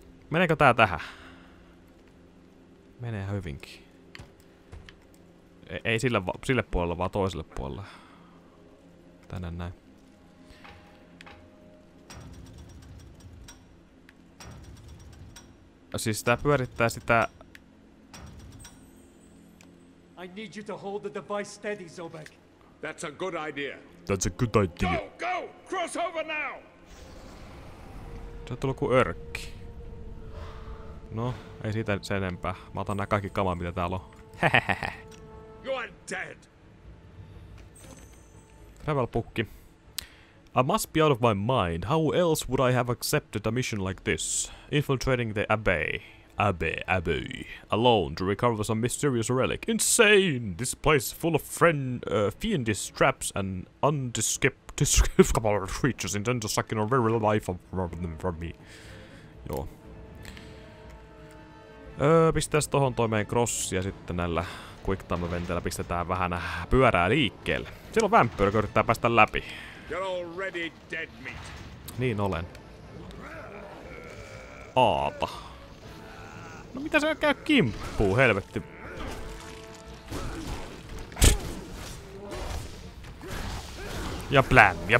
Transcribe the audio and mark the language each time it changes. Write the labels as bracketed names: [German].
[Finnish] Meneekö tää tähän? Menee hyvinkin. Ei sille puolelle, vaan toiselle puolelle. Tänne näin. Siis tää pyörittää sitä... [English] I need you to hold the device steady, Zobek. That's a good idea. That's a good idea. Go! Go! Cross over now! [Finnish] Tää tullu ku örkki. No, ei siitä sen enempää. Mä otan nää kaikki kamaa, mitä täällä on. Hehehehe. [English] You are dead! Travel pukki. I must be out of my mind. How else would I have accepted a mission like this? Infiltrating the Abbey. Abbey. Alone to recover some mysterious relic. Insane! This place full of fiendish traps and undescribable creatures intend to suck in a very life of them from me. [Finnish] Joo. Pistäis tohon toimeen crossia sitten näillä quick time eventillä pistetään vähän pyörää liikkeelle. Siellä on vampyyri, joka yrittää päästä läpi. [English] You're already dead meat. [Finnish] Niin olen. Aata. No mitä se käy kimppuun, helvetti? Ja bläm.